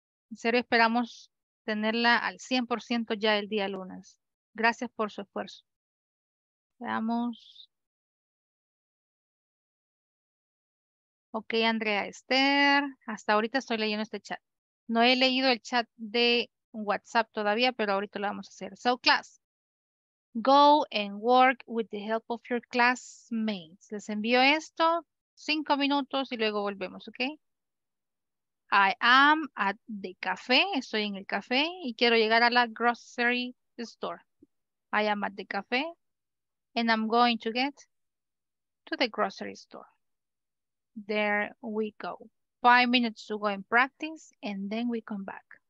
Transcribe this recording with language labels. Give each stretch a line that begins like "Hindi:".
Spanish: En serio, esperamos tenerla al 100% ya el día lunes. Gracias por su esfuerzo. Veamos. Ok, Andrea, Esther. Hasta ahorita estoy leyendo este chat. No he leído el chat de WhatsApp todavía, pero ahorita lo vamos a hacer.
English: So, class, go and work with the help of your classmates.
Spanish: Les envío esto, 5 minutos y luego volvemos, ok?
English: I am at the café.
Spanish: Estoy en el café y quiero llegar a la grocery store.
English: I am at the café and I'm going to get to the grocery store. There we go. 5 minutes to go and practice and then we come back.